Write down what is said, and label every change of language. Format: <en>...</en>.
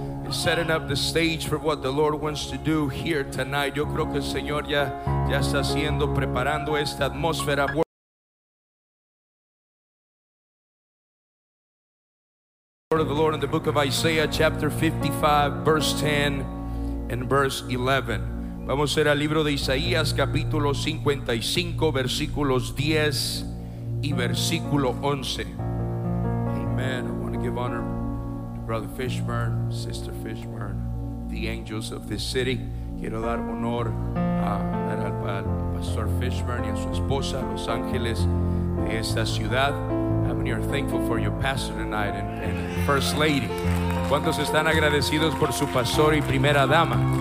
<en>Setting up the stage for what the Lord wants to do here tonight.</en> <es>Yo creo que el Señor ya está haciendo, preparando esta atmósfera.</es> <en>Word of the Lord in the book of Isaiah, chapter 55, verse 10 and verse 11.</en> <es>Vamos a ir al libro de Isaías, capítulo 55, versículos 10 y versículo 11.</es> <en>Amen. I want to give honor. Brother Fishburne, Sister Fishburne, the angels of this city.</en> <es>Quiero dar honor al Pastor Fishburne y a su esposa, los ángeles de esta ciudad.</es> <en>How many are thankful for your pastor tonight and First Lady?</en> <es>¿Cuántos están agradecidos por su pastor y primera dama?</es>